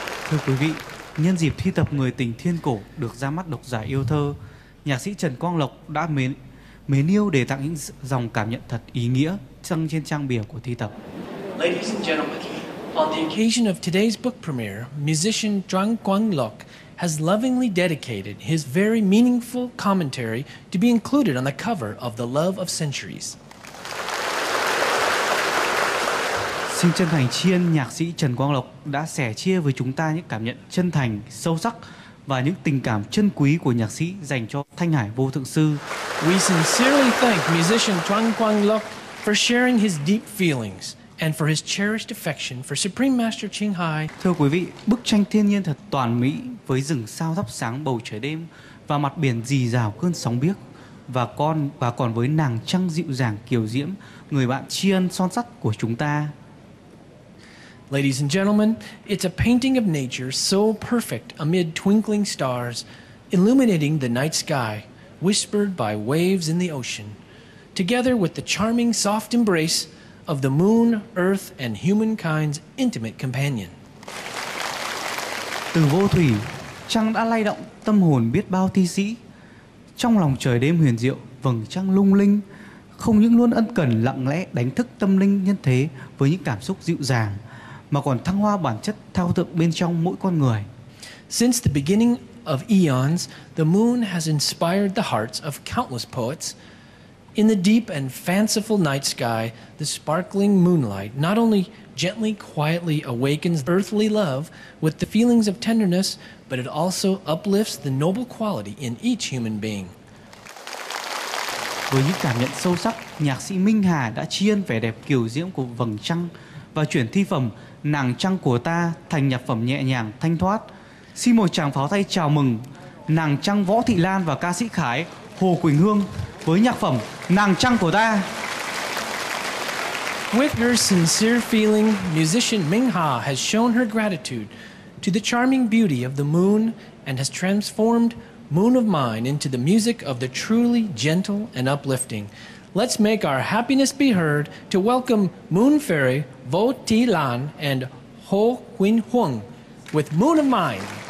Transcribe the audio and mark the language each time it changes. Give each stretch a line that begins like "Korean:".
Vietnamese: Thưa quý vị, nhân dịp thi tập Người Tình Thiên Cổ được ra mắt độc giả yêu thơ, nhạc sĩ Trần Quang Lộc đã mến yêu để tặng những dòng cảm nhận thật ý nghĩa trăng trên trang bìa của thi tập.
English: Ladies and gentlemen, on the occasion of today's book premiere, musician Trần Quang Lộc has lovingly dedicated his very meaningful commentary to be included on the cover of The Love of Centuries.
Vietnamese: Xin chân thành tri ân nhạc sĩ Trần Quang Lộc đã sẻ chia với chúng ta những cảm nhận chân thành, sâu sắc và những tình cảm chân quý của nhạc sĩ dành cho Thanh Hải Vô Thượng Sư.
English: We sincerely thank musician Trần Quang Lộc for sharing his deep feelings and for his cherished affection for Supreme Master Ching Hai.
Vietnamese: Thưa quý vị, bức tranh thiên nhiên thật toàn mỹ với rừng sao thắp sáng bầu trời đêm và mặt biển rì rào cơn sóng biếc và còn với nàng trăng dịu dàng kiều diễm, người bạn tri ân son sắt của chúng ta.
English: Ladies and gentlemen, it's a painting of nature so perfect amid twinkling stars, illuminating the night sky, whispered by waves in the ocean, together with the charming soft embrace of the moon, earth, and humankind's intimate companion.
Vietnamese: Từ vô thủy, trăng đã lay động tâm hồn biết bao thi sĩ. Trong lòng trời đêm huyền diệu, vầng trăng lung linh, không những luôn ân cần lặng lẽ đánh thức tâm linh nhân thế với những cảm xúc dịu dàng, mà còn thăng hoa bản chất thao thượng bên trong mỗi con người.
English: Since the beginning of eons, the moon has inspired the hearts of countless poets. In the deep and fanciful night sky, the sparkling moonlight not only gently, quietly awakens earthly love with the feelings of tenderness, but it also uplifts the noble quality in each human being.
Vietnamese: Với những cảm nhận sâu sắc, nhạc sĩ Minh Hà đã tri ân vẻ đẹp kiều diễm của vầng trăng và chuyển thi phẩm Nàng Trăng Của Ta thành nhạc phẩm nhẹ nhàng thanh thoát. Xin một tràng pháo tay chào mừng nàng trăng Võ Thị Lan và ca sĩ Khải Hồ Quỳnh Hương với nhạc phẩm Nàng Trăng Của Ta.
English: With her sincere feeling, musician Minh Hà has shown her gratitude to the charming beauty of the moon and has transformed Moon of Mine into the music of the truly gentle and uplifting. Let's make our happiness be heard to welcome Moon Fairy Vo Thi Lan and Ho Quyen Huong with Moon of Mine.